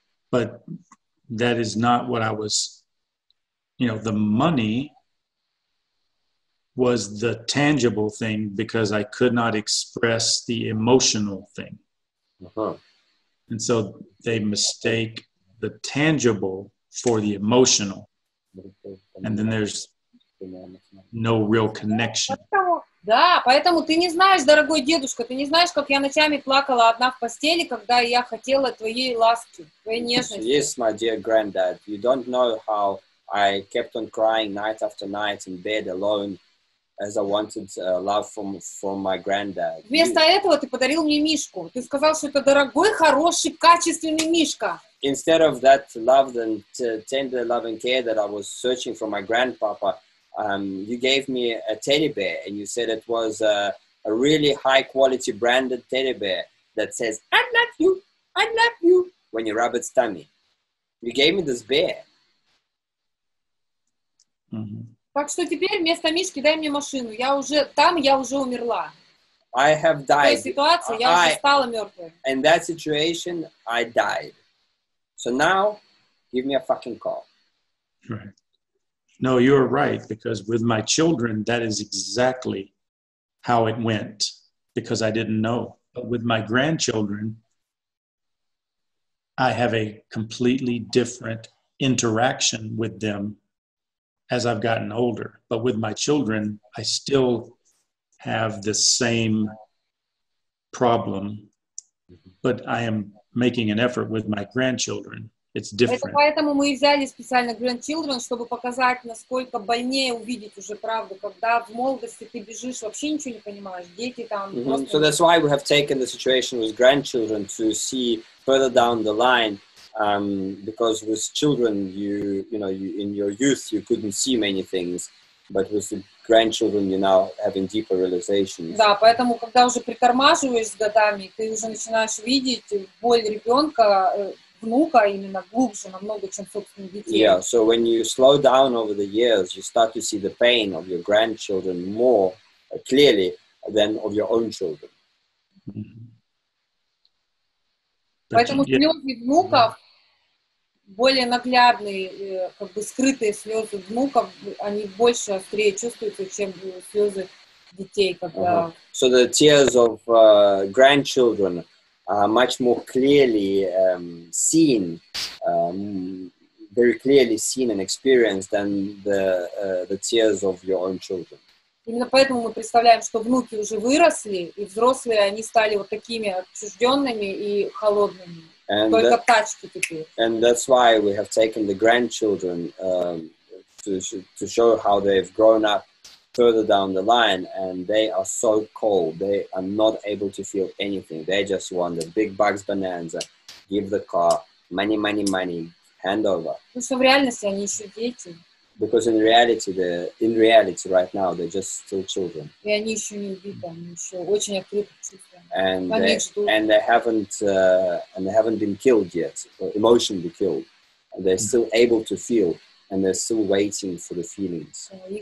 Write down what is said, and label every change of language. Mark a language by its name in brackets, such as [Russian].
[English] But that is not what I was, you know, the money was the tangible thing because I could not express the emotional thing. Uh-huh. And so they mistake the tangible for the emotional. And then there's no real connection. [Russian] Да, поэтому ты не знаешь, дорогой дедушка, ты не знаешь, как я ночами плакала одна в постели, когда я хотела твоей ласки, твоей нежности. [English] Yes, my dear granddad, you don't know how I kept on crying night after night in bed alone as I wanted love from my granddad. [Russian] Вместо этого ты подарил мне мишку. Ты сказал, что это дорогой, хороший, качественный мишка. [English] Instead of that love and tender love and care that I was searching for my grandpapa, you gave me a teddy bear, and you said it was a really high quality branded teddy bear that says, I love you, when you rub its tummy. You gave me this bear. Mm-hmm. [Russian] Так что теперь вместо мишки дай мне машину. Я уже там, я уже умерла. [English] I have died. [Russian] В той ситуации я уже стала мертвой. [English] In that situation, I died. So now, give me a fucking call. Right. No, you're right, because with my children, that is exactly how it went, because I didn't know. But with my grandchildren, I have a completely different interaction with them as I've gotten older. But with my children, I still have the same problem, but I am making an effort with my grandchildren. It's different. [Russian] Это поэтому мы и взяли специально grandchildren, чтобы показать, насколько больнее увидеть уже правду, когда в молодости ты бежишь, вообще ничего не понимаешь, дети там. Mm-hmm. Просто... [English] So that's why we have taken the situation with grandchildren to see further down the line. Because with children, you know, in your youth, you couldn't see many things, but with the grandchildren, you're now having deeper realizations. [Russian] Да, поэтому когда уже притормаживаешь с годами, ты уже начинаешь видеть боль ребенка, внука именно глубже, намного, чем собственных детей. [English] Yeah, so when you slow down over the years, you start to see the pain of your grandchildren more clearly than of your own children. Mm-hmm. [Russian] Поэтому слезы внуков, более наглядные, как бы скрытые слезы внуков, они больше острее чувствуются, чем слезы детей, когда... Uh-huh. [English] So the tears of grandchildren are much more clearly seen, very clearly seen and experienced than the tears of your own children. [Russian] Именно поэтому мы представляем, что внуки уже выросли, и взрослые, они стали вот такими отчужденными и холодными. [English] And [Russian] только тачки теперь. [English] And that's why we have taken the grandchildren to show how they've grown up further down the line, and they are so cold, they are not able to feel anything. They just want the big bucks bonanza, give the car, money, hand over. [Russian] Ну что в реальности они еще дети. [English] Because in reality, right now, they're just still children. [Russian] И они еще не убиты, они еще очень открыты. [English] And they haven't been killed yet, emotionally killed. And they're still able to feel, and they're still waiting for the feelings.